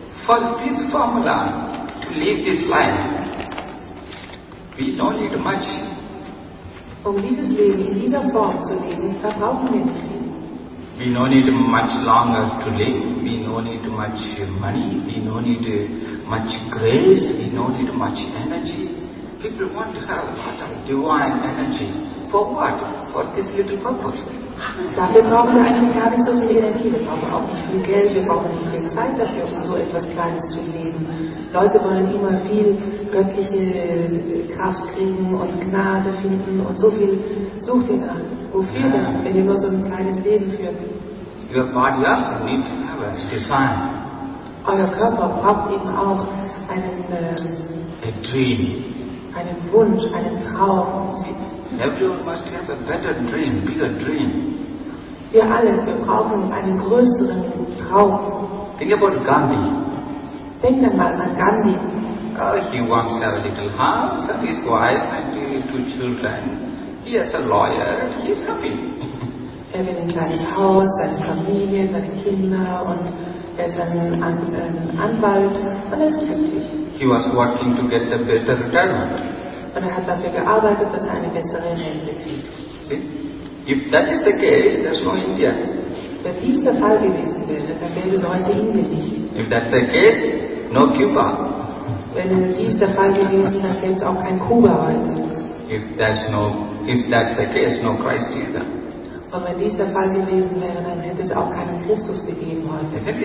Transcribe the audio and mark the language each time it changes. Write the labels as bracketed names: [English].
[English] For this formula to live this life, we don't need much. [German] Um dieses Leben in dieser Form zu leben, brauchen wir nicht. [English] We no need much longer to live. We no need much money. We no need much grace. We no need much energy. People want to have a lot of divine energy. For what? For this little purpose. [German] Dafür brauchen wir eigentlich gar nicht so viel Energie. Wir brauchen auch nicht viel Geld. Wir brauchen nicht viel Zeit dafür, um so etwas Kleines zu leben. Leute wollen immer viel göttliche Kraft kriegen und Gnade finden und so viel suchen. Wofür denn, wenn ihr nur so ein kleines Leben führt? [English] Your body also need to have a design. [German] Euer Körper braucht eben auch einen [English] a dream. [German] Einen Wunsch, einen Traum. [English] Everyone must have a better dream, bigger dream. [German] Wir alle, wir brauchen einen größeren Traum. [English] Think about Gandhi. [German] Denk dir mal an Gandhi. [English] He wants to have a little house and his wife and two children. He is a lawyer and he is happy. [German] Er will ein kleines Haus, seine Familie, seine Kinder und er ist ein Anwalt und er ist glücklich. [English] He was working to get a better retirement. [German] Und er hat dafür gearbeitet, dass er eine bessere Rente kriegt. [English] See? If that is the case, there's no India. [German] Wenn dies der Fall gewesen wäre, dann gäbe es heute Indien nicht. [English] If that's the case, no Cuba. [German] Wenn dies der Fall gewesen wäre, dann gäbe es auch kein Kuba heute. [English] If that's the case, no Christ either. [German] Und wenn dies der Fall gewesen wäre, dann hätte es auch keinen Christus gegeben heute.